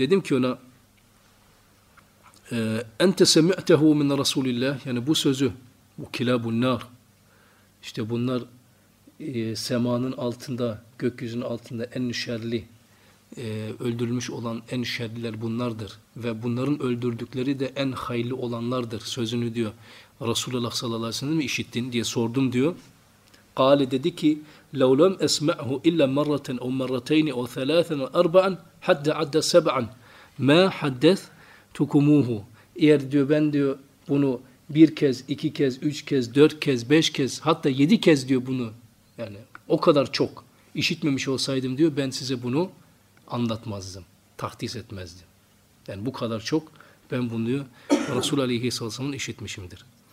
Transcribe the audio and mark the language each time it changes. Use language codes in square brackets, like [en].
[tr] Dedim ki ona [ar] اَنْتَ سَمِعْتَهُ مِنَ رَسُولِ اللّٰهِ [tr] yani bu sözü, bu kilab-ı nar işte bunlar semanın altında, gökyüzünün altında en şerli öldürülmüş olan en şerliler bunlardır. Ve bunların öldürdükleri de en hayırlı olanlardır sözünü diyor. Resulullah sallallahu aleyhi ve sellem işittin diye sordum diyor. Kale dedi ki [ar] لَوْ لَمْ أَسْمَعْهُ اِلَّا مَرَّةً اَوْ مَرَّتَيْنِ اَوْ ثَلَاثًا اَوْ اَرْبَعًا حَدَّ عَدَّ سَبْعًا مَا حَدَّثْ تُكُمُوهُ. [tr] Eğer diyor ben diyor bunu bir kez, iki kez, üç kez, dört kez, beş kez, hatta yedi kez diyor bunu yani o kadar çok işitmemiş olsaydım diyor ben size bunu anlatmazdım, tahdis etmezdim. Yani bu kadar çok ben bunu diyor Resul Aleyhisselam'ın işitmişimdir.